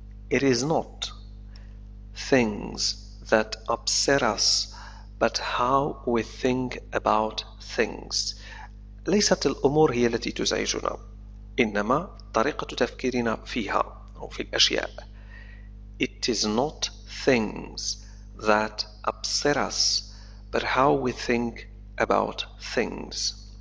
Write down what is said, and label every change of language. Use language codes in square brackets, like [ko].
[en] It is not things that upset us but how we think about things. [ar] ليست الأمور هي التي تزعجنا إنما طريقة تفكيرنا فيها أو في الأشياء. [en] It is not things that upset us but how we think about things.